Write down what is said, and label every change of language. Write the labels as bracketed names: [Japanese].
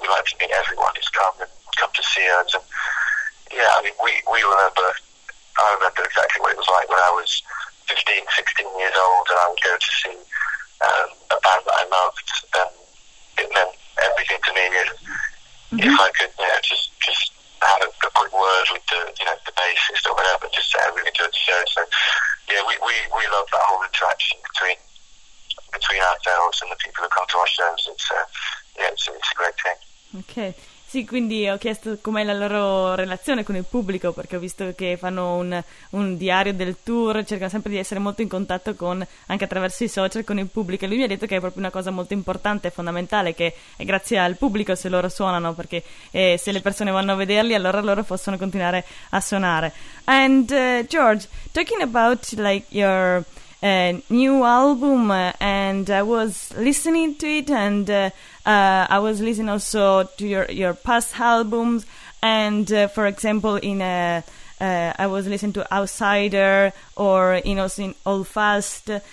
[English] We like to meet everyone who's come to see us. And, yeah, I mean, I remember exactly what it was like when I was 15, 16 years old and I would go to see a band that I loved, and it meant everything to me. And if I could, you know, just have a quick word with the bassist or whatever, just say I really enjoyed the show. So, yeah, we love that whole interaction between ourselves and the people who come to our shows. It's a great thing. Okay. [Italian] Sì, quindi ho chiesto com'è la loro relazione con il pubblico, perché ho visto che fanno un diario del tour, cercano sempre di essere molto in contatto con, anche attraverso i social, con il pubblico. E lui mi ha detto che è proprio una cosa molto importante e fondamentale, che è grazie al pubblico se loro suonano, perché se le persone vanno a vederli, allora loro possono continuare a suonare. [English] And George, talking about like your new album, and I was listening to it, and I was listening also to your past albums, and for example I was listening to Outsider or in All Fast,